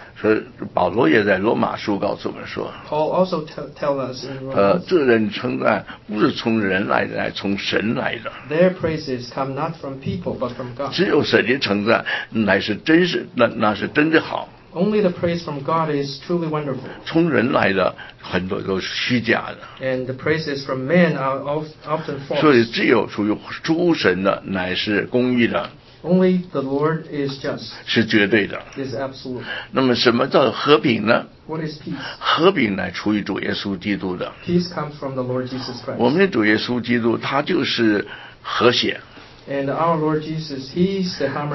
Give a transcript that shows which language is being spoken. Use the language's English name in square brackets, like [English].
[Chinese] 所以保罗也在罗马书告诉我们说。 [English] Paul also tell us in Romans. [Chinese] 这人称赞不是从人来的，乃从神来的。 [English] Their praises come not from people, but from God. [Chinese] 只有神的称赞乃是真是那是真的好。 [English] Only the praise from God is truly wonderful. [Chinese] 从人来的很多都是虚假的。 [English] And the praises from men are often false. [Chinese] 所以只有属于诸神的乃是公义的。 [English] Only the Lord is just. [Chinese] 是绝对的。 [English] Is absolute. [Chinese] 那么什么叫和平呢？ [English] What is peace? [Chinese] 和平乃出于主耶稣基督的。 [English] Peace comes from the Lord Jesus Christ. [Chinese] 我们的主耶稣基督他就是和谐。 [English] And our Lord Jesus, He is the harmony.